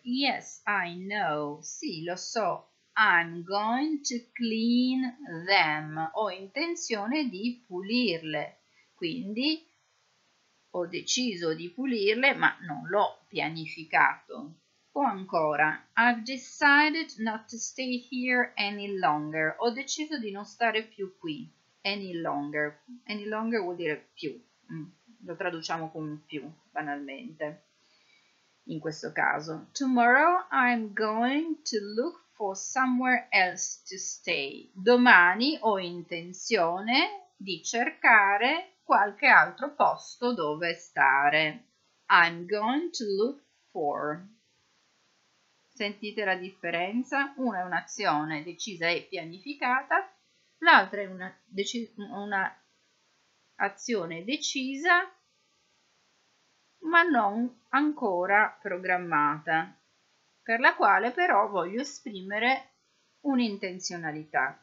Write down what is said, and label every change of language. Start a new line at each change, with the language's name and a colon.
English: Yes, I know,
Italian: sì, lo so,
English: I'm going to clean them,
Italian: ho intenzione di pulirle, quindi ho deciso di pulirle ma non l'ho pianificato. O ancora,
English: I've decided not to stay here any longer,
Italian: ho deciso di non stare più qui, any longer vuol dire più. Lo traduciamo con più banalmente in questo caso.
English: Tomorrow I'm going to look for somewhere else to stay.
Italian: Domani ho intenzione di cercare qualche altro posto dove stare.
English: I'm going to look for.
Italian: Sentite la differenza? Una è un'azione decisa e pianificata, l'altra è una azione decisa ma non ancora programmata, per la quale però voglio esprimere un'intenzionalità.